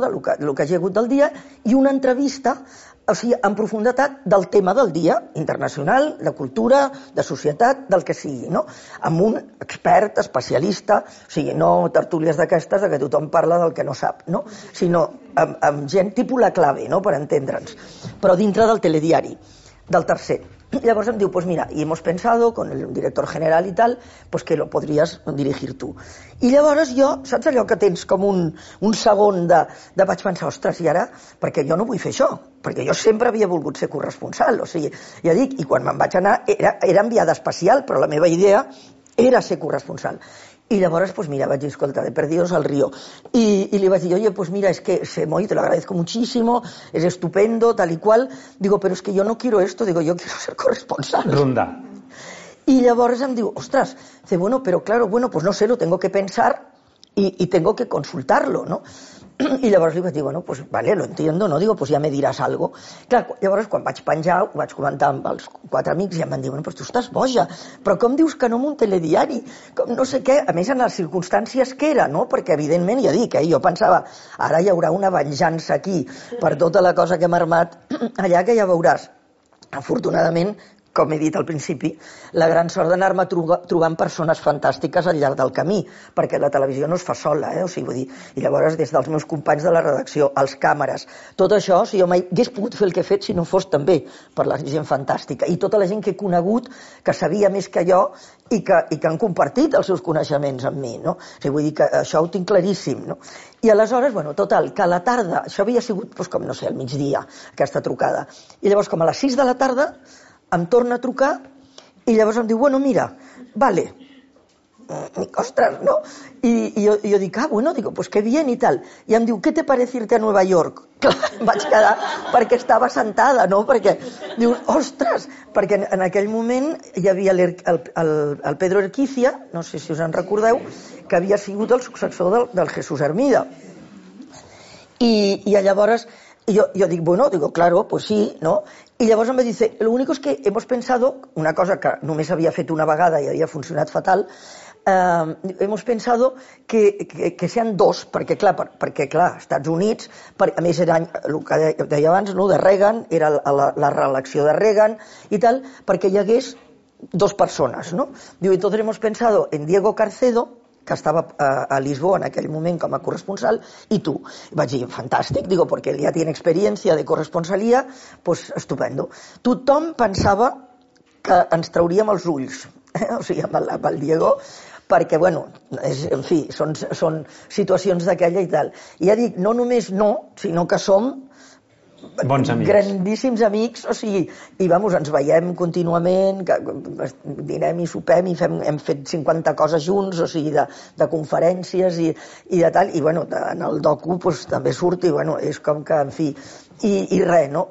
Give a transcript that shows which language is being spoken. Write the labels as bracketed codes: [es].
[ca] De lo que hagi hagut del dia, i una entrevista, o sigui, en profunditat del tema del dia, internacional, de cultura, de societat, del que sigui, no? Amb un expert, especialista, o sigui, no tertúlies d'aquestes de que tothom parla del que no sap, no? Sinó amb gent tipus La Clave, no? Per entendre'ns, però dintre del telediari, del tercer. Llavors em diu, [es] pues mira, y hemos pensado con el director general y tal, pues que lo podrías dirigir tú. [ca] I llavors jo, saps allò que tens com un segon de vaig pensar, ostres, i ara, perquè jo no vull fer això, perquè jo sempre havia volgut ser corresponsal, o sigui, ja dic, i quan me'n vaig anar era enviada especial, però la meva idea era ser corresponsal. I llavors, [es] pues mira, [ca] vaig dir, escolta, [es] de perdidos al río. [ca] I li vaig dir, [es] oye, pues mira, es que se moi, te lo agradezco muchísimo, es estupendo, tal y cual. Digo, pero es que yo no quiero esto, digo, yo quiero ser corresponsal. Ronda. [ca] I llavors em diu, [es] ostras, dice, bueno, pero claro, bueno, pues no sé, lo tengo que pensar y tengo que consultarlo, ¿no? [ca] I llavors li vaig dir, [es] bueno, pues vale, lo entiendo, ¿no? Digo, pues ya me dirás algo. [ca] Clar, llavors quan vaig penjar, ho vaig comentar amb els quatre amics i em van dir, bueno, pues tu estàs boja, però com dius que no en un telediari? Com, no sé què, a més en les circumstàncies que era, no? Perquè evidentment, ja dic, jo pensava, ara hi haurà una venjança aquí per tota la cosa que hem armat allà que ja veuràs. Afortunadament, com he dit al principi, la gran sort d'anar-me trobant persones fantàstiques al llarg del camí, perquè la televisió no es fa sola, eh? O sigui, vull dir, i llavors des dels meus companys de la redacció, els càmeres, tot això, o sigui, jo mai hagués pogut fer el que he fet si no fos també per la gent fantàstica, i tota la gent que he conegut, que sabia més que jo, i que han compartit els seus coneixements amb mi, no? O sigui, vull dir que això ho tinc claríssim, no? I aleshores, bueno, total, que a la tarda, això havia sigut, doncs, com, no sé, al migdia, aquesta trucada, i llavors com a les 6 de la tarda em torna a trucar i llavors em diu, [es] bueno, mira, vale. [ca] Dic, ostres, no? I jo dic, [es] ah, bueno, digo, pues qué bien y tal. [ca] I em diu, [es] ¿qué te parece irte a Nueva York? [ca] Clar, vaig quedar perquè estava sentada, no? Perquè diu, ostres, perquè en aquell moment hi havia el Pedro Erquicia, no sé si us en recordeu, que havia sigut el successor del Jesús Hermida. I llavors jo dic, [es] bueno, digo, claro, pues sí, no? [ca] I llavors em va dir, [es] lo único es que hemos pensado, [ca] una cosa que només havia fet una vegada i havia funcionat fatal, [es] hemos pensado que sean dos, [ca] perquè, clar, Estats Units, a més era el que deia abans, no, de Reagan, era la reelecció de Reagan i tal, perquè hi hagués dos persones, no? Diu, [es] entonces hemos pensado en [ca] Diego Carcedo, que estava a Lisboa en aquell moment com a corresponsal, i tu. Vaig dir, fantàstic, [es] digo, porque él ya tiene experiencia de corresponsalía, pues estupendo. [ca] Tothom pensava que ens trauríem els ulls, o sigui, amb el Diego, perquè, bueno, és, en fi, són situacions d'aquella i tal. I ja dic, no només no, sinó que som bons amics, grandíssims amics, o sigui, i vamos, ens veiem contínuament, que dinem i sopem i hem fet 50 coses junts, o sigui, de conferències i de tal, i bueno, en el docu pues, també surt i bueno, és com que, en fi, i res, no?